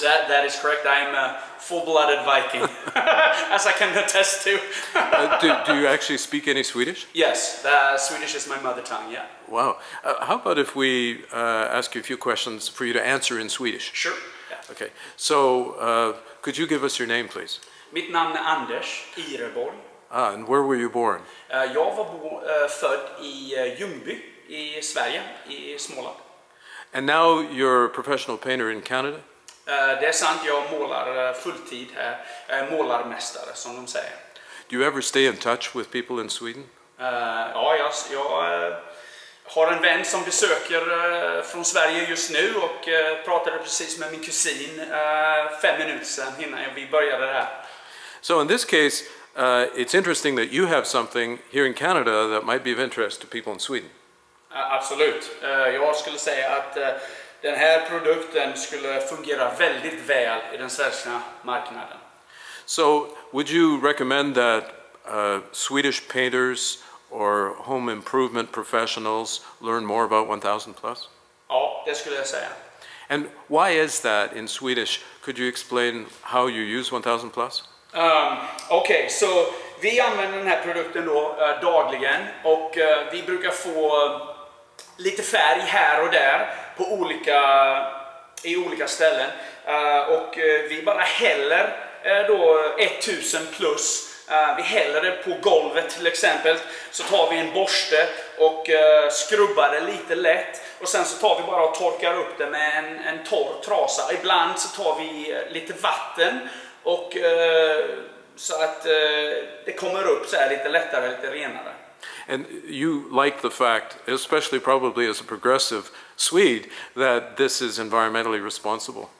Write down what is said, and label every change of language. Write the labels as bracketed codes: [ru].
[en] That is correct, I am a full-blooded Viking, as I can attest to. do you actually speak any Swedish? Yes, Swedish is my mother tongue, yeah. Wow. How about if we ask you a few questions for you to answer in Swedish? Sure. Okay, so could you give us your name, please? [sv] Mitt namn är Anders Ireborg. [en] Ah, and where were you born? [sv] Jag var född i Ljungby i Sverige, i Småland. [en] And now you're a professional painter in Canada? [sv] Det är sant, jag målar fulltid här. Målarmästare, som de säger. [en] Do you ever stay in touch with people in Sweden? [sv] Ja, jag har en vän som besöker från Sverige just nu och pratade precis med min kusin 5 minuter sedan innan vi började det här. [en] So in this case, it's interesting that you have something here in Canada that might be of interest to people in Sweden. [sv] Absolut. Jag skulle säga att den här produkten skulle fungera väldigt väl i den svenska marknaden. [en] So would you recommend that Swedish painters or home improvement professionals learn more about 1,000 plus? [sv] Ja, det skulle jag säga. [en] And why is that in Swedish? Could you explain how you use 1,000 plus? Okay, so [sv] vi använder den här produkten då dagligen och vi brukar få lite färg här och där på olika ställen och vi bara häller då 1,000 plus. Vi häller det på golvet till exempel, så tar vi en borste och skrubbar det lite lätt och sen så tar vi bara och torkar upp det med en torr trasa. Ibland så tar vi lite vatten och så att det kommer upp så här lite lättare, lite renare. [en] And you like the fact, especially probably as a progressive Swede, that this is environmentally responsible?